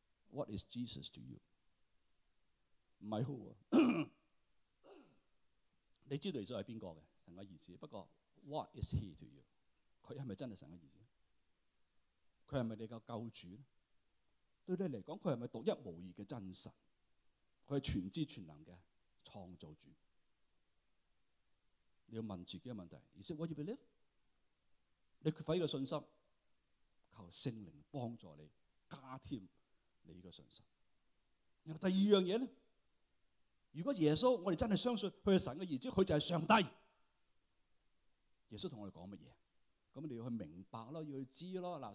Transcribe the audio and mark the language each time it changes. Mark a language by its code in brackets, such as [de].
[en] What is Jesus to you? [zh] 不是who 你知道耶稣是谁的，神的儿子，不过 [en] What is he to you? [zh] 他是不是真的神的儿子？他是不是你的救主？对你来说，他是不是独一无二的真神？他是全知全能的创造主。你要问自己的问题， [en] Is it what you believe? [zh] 你缺乏一个信心，求圣灵帮助你加添你这个信心。然后第二样东西呢，如果耶稣我们真的相信他是神的儿子，他就是上帝，耶稣跟我们讲什么，那你要去明白，要去知道。